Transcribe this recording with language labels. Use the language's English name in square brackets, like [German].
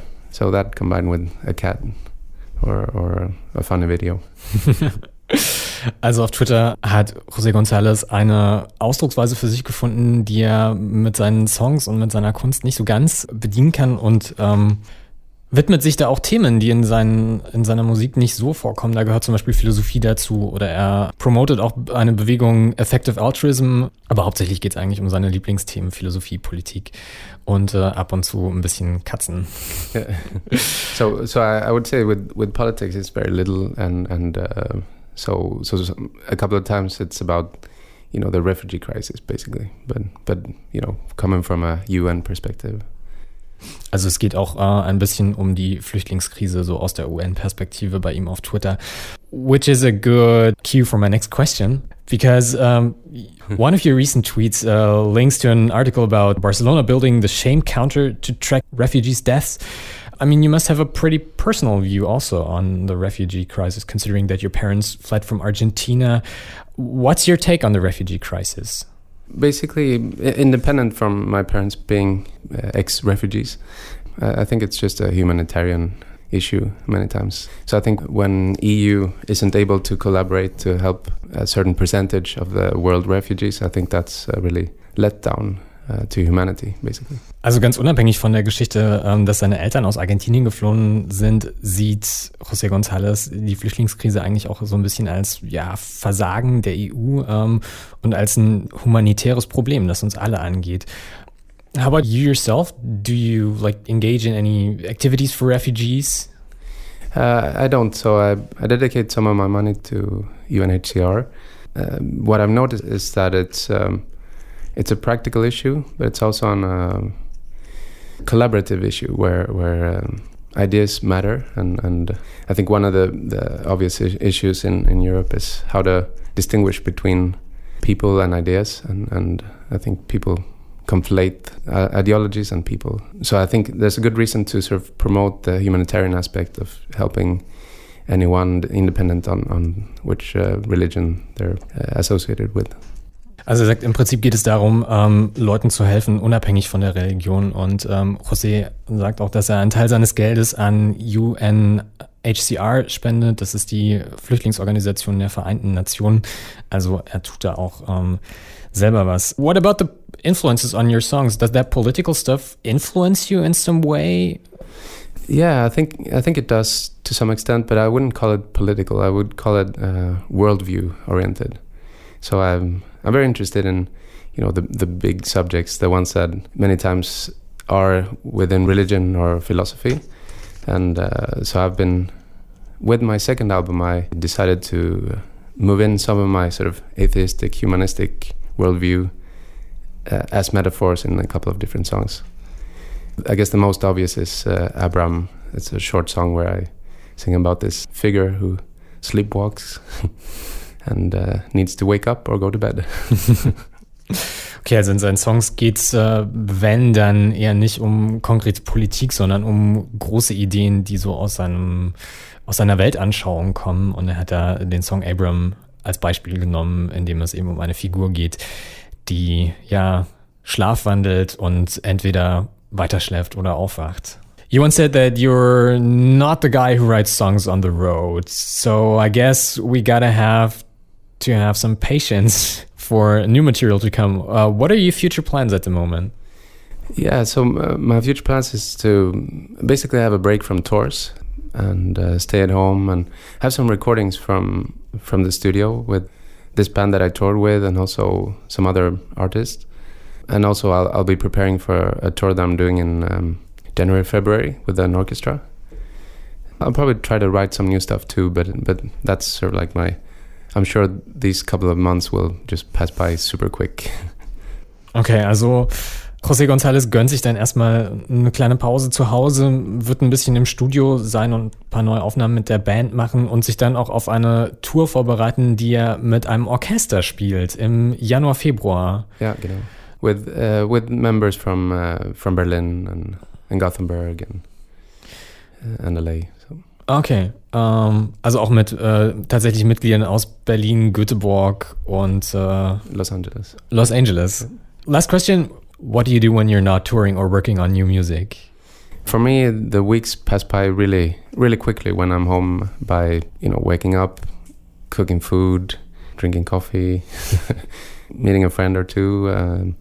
[English] So that combined with a cat or a funny video. [German] Also auf Twitter hat José González eine Ausdrucksweise für sich gefunden, die er mit seinen Songs und mit seiner Kunst nicht so ganz bedienen kann und widmet sich da auch Themen, die in seiner Musik nicht so vorkommen. Da gehört zum Beispiel Philosophie dazu oder er promotet auch eine Bewegung Effective Altruism. Aber hauptsächlich geht es eigentlich um seine Lieblingsthemen, Philosophie, Politik und ab und zu ein bisschen Katzen. [English] Yeah. So I would say with politics it's very little and so a couple of times it's about, you know, the refugee crisis basically. But you know, coming from a UN perspective. [German] Also es geht auch ein bisschen um die Flüchtlingskrise so aus der UN-Perspektive bei ihm auf Twitter, [English] which is a good cue for my next question, because one of your recent tweets links to an article about Barcelona building the shame counter to track refugees' deaths. I mean, you must have a pretty personal view also on the refugee crisis, considering that your parents fled from Argentina. What's your take on the refugee crisis? Basically, independent from my parents being ex-refugees, I think it's just a humanitarian issue many times. So I think when EU isn't able to collaborate to help a certain percentage of the world refugees, I think that's a really let down to humanity, basically. [German] Also ganz unabhängig von der Geschichte, dass seine Eltern aus Argentinien geflohen sind, sieht José González die Flüchtlingskrise eigentlich auch so ein bisschen als Versagen der EU und als ein humanitäres Problem, das uns alle angeht. [English] How about you yourself? Do you like engage in any activities for refugees? I don't. So I dedicate some of my money to UNHCR. What I've noticed is that it's a practical issue, but it's also on a collaborative issue where ideas matter. And I think one of the obvious issues in Europe is how to distinguish between people and ideas. And I think people conflate ideologies and people. So I think there's a good reason to sort of promote the humanitarian aspect of helping anyone independent on which religion they're associated with. [German] Also er sagt, im Prinzip geht es darum, Leuten zu helfen, unabhängig von der Religion. Und José sagt auch, dass er einen Teil seines Geldes an UN HCR spendet. Das ist die Flüchtlingsorganisation der Vereinten Nationen. Also er tut da auch selber was. [English] What about the influences on your songs? Does that political stuff influence you in some way? Yeah, I think it does to some extent, but I wouldn't call it political. I would call it worldview oriented. So I'm very interested in, you know, the big subjects, the ones that many times are within religion or philosophy. And so I've been, with my second album, I decided to move in some of my sort of atheistic, humanistic worldview as metaphors in a couple of different songs. I guess the most obvious is Abram. It's a short song where I sing about this figure who sleepwalks and needs to wake up or go to bed. [German] Okay, also in seinen Songs geht's, wenn, dann eher nicht um konkrete Politik, sondern um große Ideen, die so aus seinem, aus seiner Weltanschauung kommen. Und er hat da den Song Abram als Beispiel genommen, in dem es eben um eine Figur geht, die ja schlafwandelt und entweder weiterschläft oder aufwacht. [English] You once said that you're not the guy who writes songs on the road. So I guess we gotta have to have some patience for new material to come. What are your future plans at the moment? Yeah, so my future plans is to basically have a break from tours and stay at home and have some recordings from the studio with this band that I toured with and also some other artists. And also I'll be preparing for a tour that I'm doing in January, February with an orchestra. I'll probably try to write some new stuff too, but that's sort of like my... I'm sure these couple of months will just pass by super quick. [German] Okay, also José González gönnt sich dann erstmal eine kleine Pause zu Hause, wird ein bisschen im Studio sein und ein paar neue Aufnahmen mit der Band machen und sich dann auch auf eine Tour vorbereiten, die er mit einem Orchester spielt im Januar, Februar. Ja, genau. [English] With members from Berlin and Gothenburg and LA. So. Okay. [German] Also auch mit tatsächlich Mitgliedern aus Berlin, Göteborg und Los Angeles. [English] Okay. Last question. What do you do when you're not touring or working on new music? For me, the weeks pass by really, really quickly when I'm home by, you know, waking up, cooking food, drinking coffee, meeting a friend or two.